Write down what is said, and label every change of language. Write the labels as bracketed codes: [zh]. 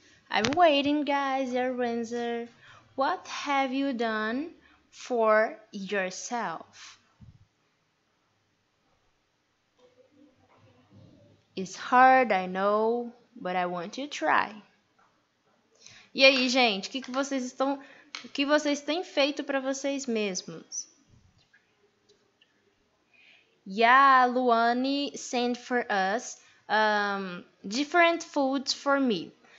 [en] I'm waiting, guys, your answer. What have you done for yourself? It's hard, I know, but I want you to try. [pt] E aí, gente, o que vocês têm feito para vocês mesmos? [en] Yeah, Luane sent for us different foods for me.